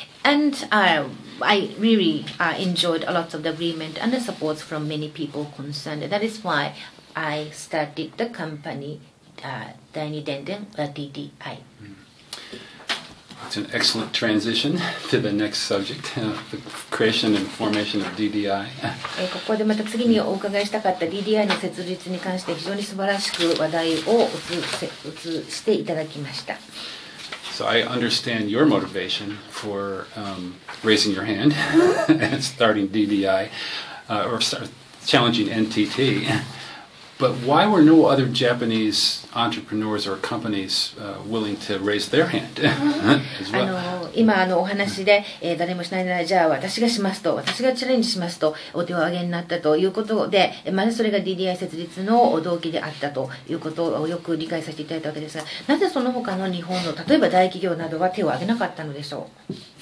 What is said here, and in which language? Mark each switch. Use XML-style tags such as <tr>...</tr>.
<en>And I really enjoyed a lot of the agreement and the support from many people concerned. That is why I started the company, Daini Denden, DDI. It's an excellent transition to the next subject, the creation and formation of DDI.</en> <ja>ここでまた次にお伺いしたかった DDI の設立に関して非常に素晴らしく話題を移していただきました。</ja> <en>So I understand your motivation for raising your hand and starting DDI, or challenging NTT. But why were no other Japanese entrepreneurs or companies willing to raise their hand as well?</en> <ja>今お話で、誰もしないなら、じゃあ私がしますと、私がチャレンジしますとお手を挙げになったということで、まずそれが DDI 設立の動機であったということをよく理解させていただいたわけですが、なぜその他の日本の例えば大企業などは手を挙げなかったのでしょう。</ja>